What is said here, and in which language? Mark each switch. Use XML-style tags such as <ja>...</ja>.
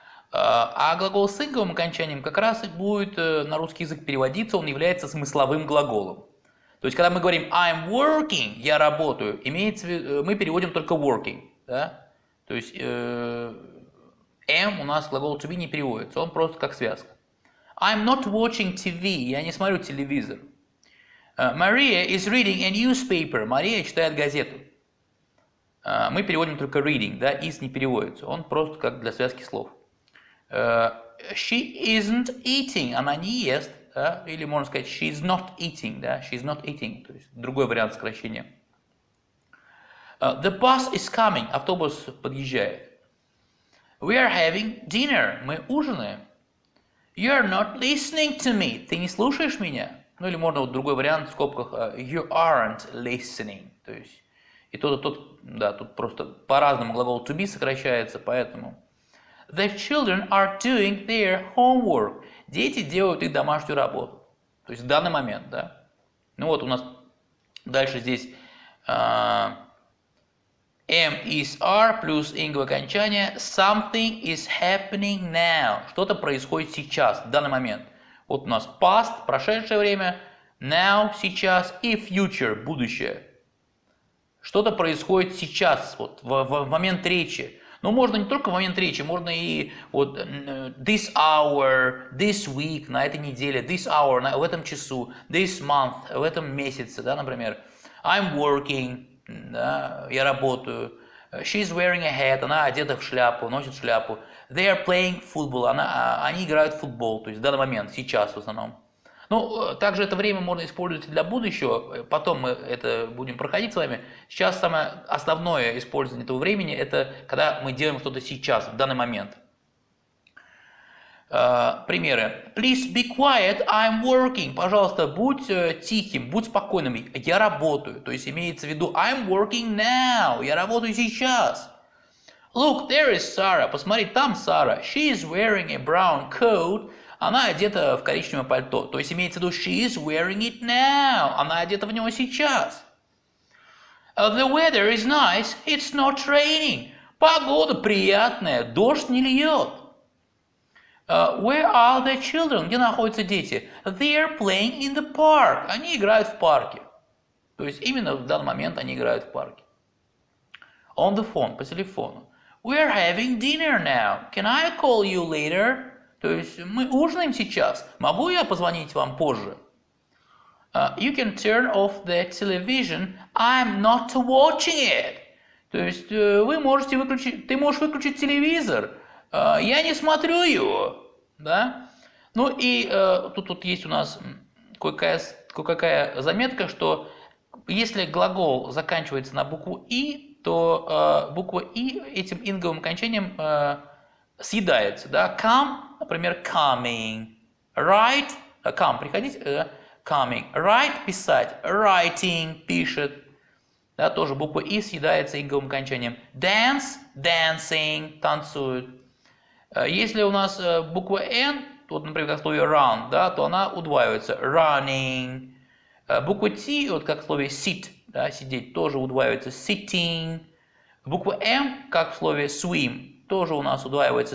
<ru>А глагол с инговым окончанием как раз и будет на русский язык переводиться, он является смысловым глаголом. То есть, когда мы говорим</ru> <en>I'm working,</en> <ru>я работаю, имеется, мы переводим только working. Да? То есть, am у нас глагол to be не переводится, он просто как связка.</ru> <en>I'm not watching TV,</en> <ru>я не смотрю телевизор.</ru> <en>Maria is reading a newspaper,</en> <ru>Мария читает газету. Мы переводим только reading, да? Is не переводится, он просто как для связки слов.</ru> <en>She isn't eating,</en> <ru>она не ест, да? Или можно сказать</ru> <en>she's not eating,</en> <ru>да, she's not eating, то есть другой вариант сокращения.</ru> <en>The bus is coming,</en> <ru>автобус подъезжает.</ru> <en>We are having dinner,</en> <ru>мы ужинаем.</ru> <en>You are not listening to me,</en> <ru>ты не слушаешь меня. Ну или можно вот другой вариант в скобках</ru> <en>you aren't listening,</en> <ru>то есть и тот и тот, да, тут просто по-разному глагол to be сокращается, поэтому.</ru> <en>The children are doing their homework.</en> <ru>Дети делают их домашнюю работу. То есть в данный момент, да? Ну вот у нас дальше здесь am is are плюс инговое окончание.</ru> <en>Something is happening now.</en> <ru>Что-то происходит сейчас, в данный момент. Вот у нас past, прошедшее время, now, сейчас и future, будущее. Что-то происходит сейчас, вот в момент речи. Но можно не только в момент речи, можно и вот this hour, this week, на этой неделе, this hour, в этом часу, this month, в этом месяце, да, например.</ru> <en>I'm working,</en> <ru>да, я работаю.</ru> <en>She's wearing a hat,</en> <ru>она одета в шляпу, носит шляпу.</ru> <en>They are playing football,</en> <ru>они играют в футбол, то есть в данный момент, сейчас в основном. Ну, также это время можно использовать для будущего, потом мы это будем проходить с вами. Сейчас самое основное использование этого времени, это когда мы делаем что-то сейчас, в данный момент. Примеры.</ru> <en>Please be quiet, I'm working.</en> <ru>Пожалуйста, будь тихим, будь спокойным, я работаю. То есть имеется в виду,</ru> <en>I'm working now,</en> <ru>я работаю сейчас.</ru> <en>Look, there is Sarah,</en> <ru>посмотри, там Сара.</ru> <en>She is wearing a brown coat.</en> <ru>Она одета в коричневое пальто. То есть имеется в виду,</ru> <en>she is wearing it now.</en> <ru>Она одета в него сейчас.</ru> <en>The weather is nice. It's not raining.</en> <ru>Погода приятная. Дождь не льет.</ru> <en>Where are the children?</en> <ru>Где находятся дети?</ru> <en>They are playing in the park.</en> <ru>Они играют в парке. То есть именно в данный момент они играют в парке.</ru> <en>On the phone,</en> <ru>по телефону.</ru> <en>We are having dinner now. Can I call you later?</en> <ru>То есть мы ужинаем сейчас. Могу я позвонить вам позже?</ru> <en>You can turn off the television. I'm not watching it.</en> <ru>То есть вы можете выключить, ты можешь выключить телевизор. Я не смотрю его. Да? Ну и тут есть у нас кое-какая заметка, что Если глагол заканчивается на букву «и», то буква «и» этим инговым окончанием съедается. Да?</ru> <en>Come, например, coming. Write, come, приходить, coming.</en> <ru>Write, писать, writing, пишет. Да, тоже буква «и» съедается инговым окончанием.</ru> <en>Dance, dancing, танцует.</en> <ru>Если у нас буква «н», вот, например, как в слове «run», да, то она удваивается.</ru> <en>Running.</en> <ru>Буква «t», вот как в слове «sit», да, «сидеть», тоже удваивается.</ru> <en>Sitting.</en> <ru>Буква «m», как в слове «swim», тоже у нас удваивается.</ru>